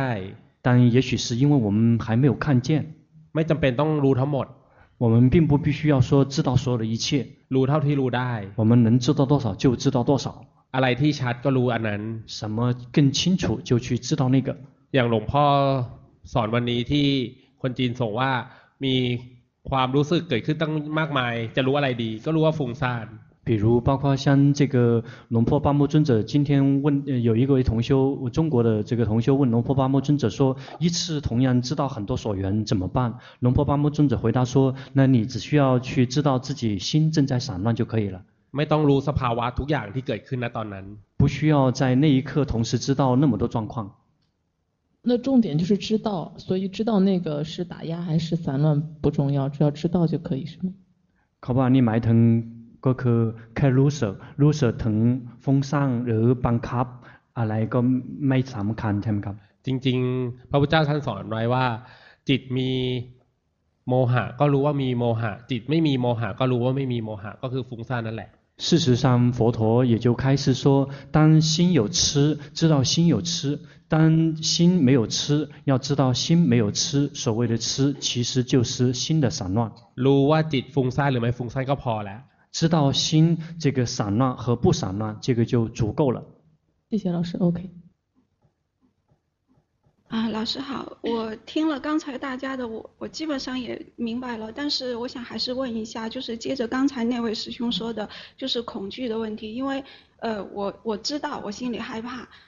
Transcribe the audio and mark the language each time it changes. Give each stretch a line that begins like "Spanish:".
Chinese: 但也许是因为我们还没有看见
Thai: ไม่จำเป็นต้องรู้ทั้งหมด
Chinese: 我们并不必须要说知道所有的一切
Thai: รู้เท่าที่รู้ได้
Chinese: 我们能知道多少就知道多少
Thai: อะไรที่ชัดก็รู้อันนั้น
Chinese: 什么更清楚就去知道那个
Thai: อย่างหลวงพ่อสอนวันนี้ที่คนจีนส่งว่ามีความรู้สึกเกิดขึ้นตั้งมากมายจะรู้อะไรดีก็รู้ว่าฟุ้งซ่าน
Chinese: 比如包括像这个龙婆巴木尊者今天问有一个同修中国的这个同修问龙婆巴木尊者说一次同样知道很多所缘怎么办龙婆巴木尊者回答说那你只需要去知道自己心正在散乱就可以了
Thai: ไม่ต้องรู้สภาวะทุกอย่างที่เกิดขึ้นในตอนนั้น
Chinese: 不需要在那一刻同时知道那么多状况那重点就是知道所以知道那个是打压还是散乱不重要只要知道就可以是吗
Thai: 考不好你埋腾ก็คือแค่รู้สึกรู้สึกถึงฟุ้งซ่านหรือบังคับอะไรก็ไม่สำคัญใช่ไหมครับ จริงๆพระพุทธเจ้าท่านสอนไว้ว่าจิตมีโมหะก็รู้ว่ามีโมหะจิตไม่มีโมหะก็รู้ว่าไม่มีโมหะก็คือฟุ้งซ่านนั่นแหละ
Chinese: 事实上佛陀也就开始说当心有痴知道心有痴当心没有痴要知道心没有痴所谓的痴其实就是心的散乱
Thai: รู้ว่าจิตฟุ้งซ่านหรือไม่ฟุ้งซ่านก็พอแล้ว
Chinese: 知道心这个散乱和不散乱，这个就足够了。谢谢老师 ，OK。啊，老师好，我听了刚才大家的，我基本上也明白了，但是我想还是问一下，就是接着刚才那位师兄说的，就是恐惧的问题，因为我知道我心里害怕，